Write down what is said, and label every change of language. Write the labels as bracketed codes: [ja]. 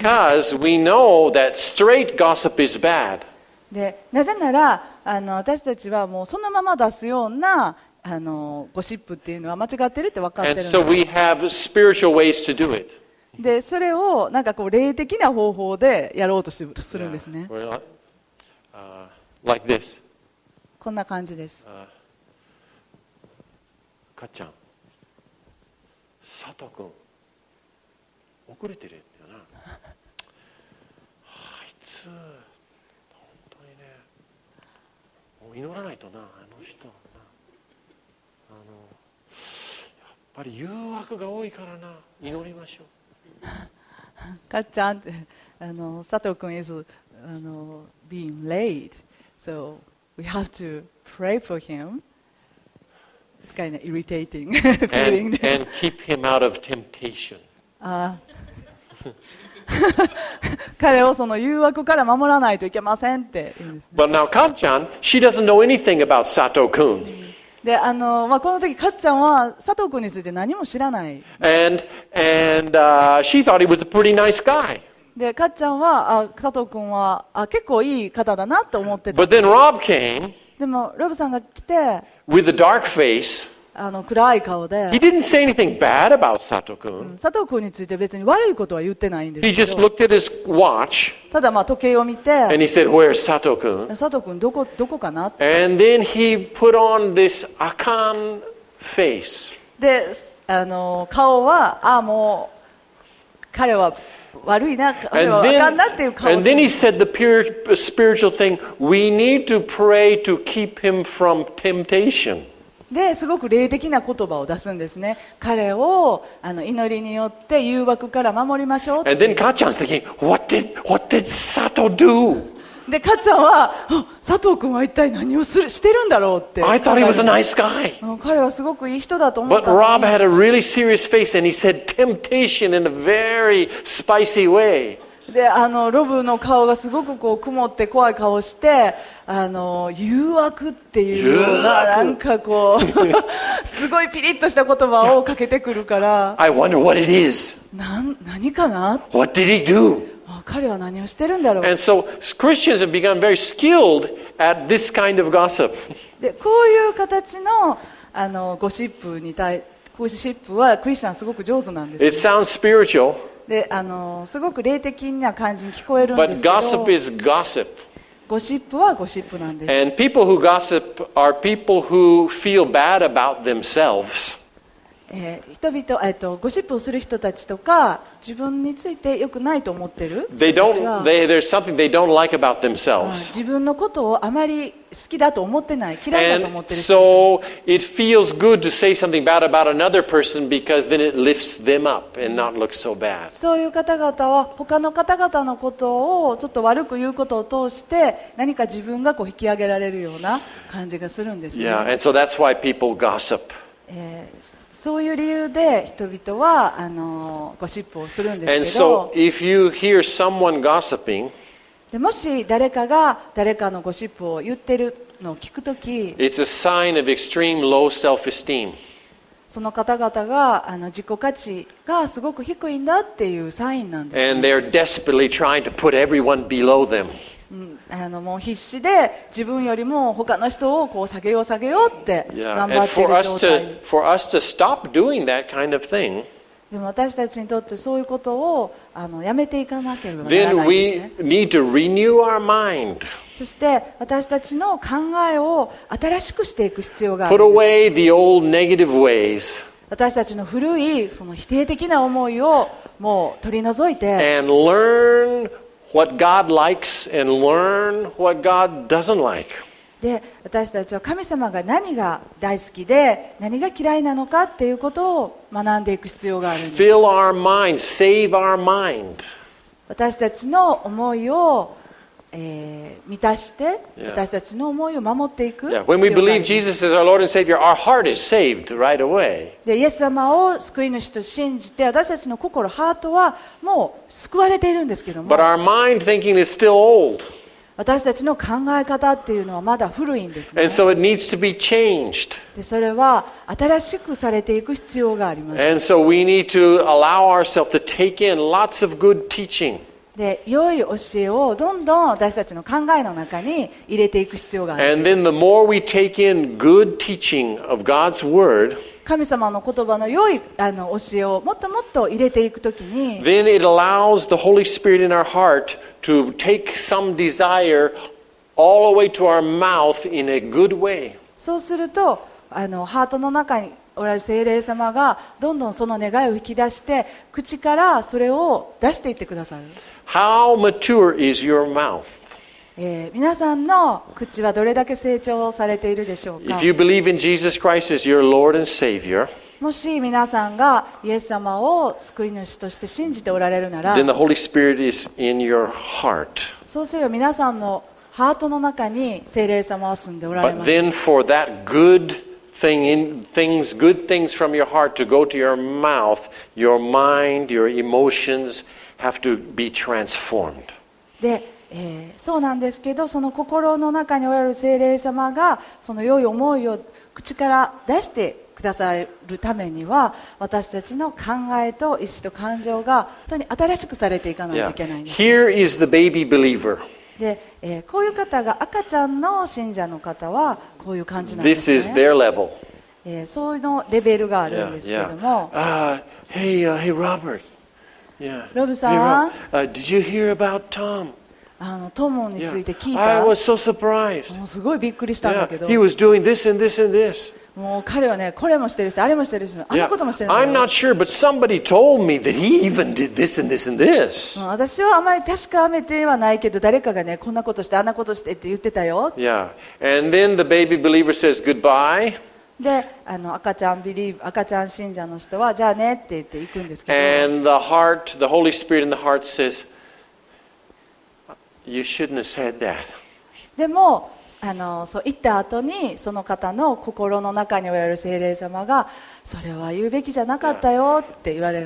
[en] Because we know that straight gossip is bad. [ja] でなぜなら私たちはもうそのまま出すようなゴシップっていうのは間違ってるって分かってるんです。 [en] And so we have spiritual ways to do it. [ja] でそれをなんかこう霊的な方法でやろうとするんですね。 [en] yeah. Like this. [ja] こんな感じです。かっちゃん、佐藤君、遅れてるんだよな。あいつ、本当にね、もう祈らないとな、あの人はな。やっぱり誘惑が多いからな、祈りましょう。 [en] かっちゃんって、佐藤君 is being late. So we have to pray for him. It's kind of irritating feeling. And keep him out of temptation. [ja] 彼をその誘惑から守らないといけませんって言うんですね。 [en] But now, Kat-chan, she doesn't know anything about Sato-kun. [ja] で、この時、かっちゃんは佐藤君について何も知らない。 [en] And she thought he was a pretty nice guy. [ja] で、かっちゃんは、佐藤君は、結構いい方だなと思ってて。 [en] But then Rob came, [ja] でも、ロブさんが来て、 [en] with a dark face, [ja] 暗い顔で、 [en] he didn't say anything bad about Sato-kun. [ja] 佐藤君について別に悪いことは言ってないんですけど、 [en] he just looked at his watch, [ja] ただ、時計を見て、 [en] and he said, where's Sato-kun? [ja] 佐藤君どこかなって [en] And then he put on this akan face. [ja] で、顔は、もう、彼は、悪いな、 [en] and then, and then he said the spiritual thing, we need to pray to keep him from temptation. [ja] で、すごく霊的な言葉を出すんですね。彼を祈りによって誘惑から守りましょう。 [en] And then Kachan's thinking, what did Sato do? [ja] で、かっちゃんは、佐藤君は一体何をしてるんだろうって。 [en] I thought he was a nice guy. [ja] 彼はすごくいい人だと思ったのに。 [en] But Rob had a really serious face and he said temptation in a very spicy way. [ja] で、ロブの顔がすごくこう曇って怖い顔して、誘惑っていうのがなんかこう、すごいピリッとした言葉をかけてくるから。 [en] I wonder what it is. [ja] 何かな? [en] What did he do? [ja] 彼は何をしてるんだろう。 [en] And so Christians have become very skilled at this kind of gossip. [ja] で、こういう形の、ゴシップに対、ゴシップはクリスチャンすごく上手なんです、ね。 [en] It sounds spiritual. [ja] で、すごく霊的な感じに聞こえるんですけど。 [en] But gossip is gossip. [ja] ゴシップはゴシップなんです。 [en] And people who gossip are people who feel bad about themselves. [ja] ゴシップをする人たちとか自分について良くないと思ってる [en] there's something they don't like about themselves. [ja] 自分のことをあまり好きだと思ってない嫌いだと思ってる [en] And so it feels good to say something bad about another person because then it lifts them up and not look so bad. [ja] そういう方々は他の方々のことをちょっと悪く言うことを通して何か自分がこう引き上げられるような感じがするんですね。 [en] Yeah, and so that's why people gossip. [ja] そういう理由で人々はゴシップをするんですけど [en] And so, if you hear someone gossiping, [ja] でもし誰かが誰かのゴシップを言ってるのを聞くとき [en] It's a sign of extreme low self-esteem. [ja] その方々が自己価値がすごく低いんだっていうサインなんです、ね、 [en] And they're desperately trying to put everyone below them. [ja] もう必死で自分よりも他の人をこう下げようって頑張ってる状態 [en] yeah, for us to stop doing that kind of thing, [ja] でも私たちにとってそういうことをやめていかなければならないんですね [en] Then we need to renew our mind. [ja] そして私たちの考えを新しくしていく必要があるんです [en] Put away the old negative ways. [ja] 私たちの古いその否定的な思いをもう取り除いて [en] And learnWhat God likes and learn what God doesn't like. [ja] で、私たちは神様が何が大好きで何が嫌いなのかっていうことを学んでいく必要があるんです。 [en] Fill our mind, save our mind. [ja] 私たちの思いを、満たして、yeah. 私たちの思いを守っていく。 [en] Yeah. When we believe Jesus is our Lord and Savior, our heart is saved right away. [ja] で、イエス様を救い主と信じて、私たちの心、ハートはもう救われているんですけども。 [en] But our mind thinking is still old. [ja] 私たちの考え方っていうのはまだ古いんですね。 [en] And so it needs to be changed. [ja] で、それは新しくされていく必要があります。 [en] And so we need to allow ourselves to take in lots of good teaching. [ja] で、良い教えをどんどん私たちの考えの中に入れていく必要があります。 [en] And then the more we take in good teaching of God's word, [ja] 神様の言葉の良い教えをもっともっと入れていくときに、 [en] then it allows the Holy Spirit in our heart to take some desire all the way to our mouth in a good way. [ja] そうすると、ハートの中に、おられる聖霊様がどんどんその願いを引き出して口からそれを出していってくださる。 [en] How mature is your mouth? [ja] 皆さんの口はどれだけ成長されているでしょうか? [en] If you believe in Jesus Christ as your Lord and Savior, [ja] もし皆さんがイエス様を救い主として信じておられるなら [en] then the Holy Spirit is in your heart. [ja] そうすれば皆さんのハートの中に聖霊様は住んでおられます。 [en] But then for that goodgood things from your heart to go to your mouth, your mind, your emotions have to be transformed. [ja] で、そうなんですけど、その心の中におられる聖霊様がその良い思いを口から出してくださるためには私たちの考えと意思と感情が本当に新しくされていかないといけないんです。 [en] Here is the baby believer. [ja] で、こういう方が赤ちゃんの信者の方はこういう感じなんですね。 [en] This is their level. [ja] そういうのレベルがあるんですけども [en] yeah, yeah. Hey, Robert. Yeah. [ja] ロブさん、 [en] Did you hear about Tom? [ja] あのトムについて聞いた。 [en] Yeah. I was so surprised. [ja] もうすごいびっくりしたんだけど。 [en] Yeah. He was doing this and this and this. [ja] もう彼はね、これもしてるし、あれもしてるし、あのこともしてる。 [en] I'm not sure, but somebody told me that he even did this and this and this. [ja] 私はあまり確かめてはないけど、誰かがね、こんなことして、あんなことしてって言ってたよ。 [en] Yeah. And then the baby believer says goodbye. [ja] で、あの赤ちゃん信者の人はじゃあねって言って行くんですけど、 [en] And the heart, the Holy Spirit in the heart says, you shouldn't have said that. [ja] でも、あのそう言った後にその方の心の中におられる聖霊様がそれは言うべきじゃなかったよって言われる。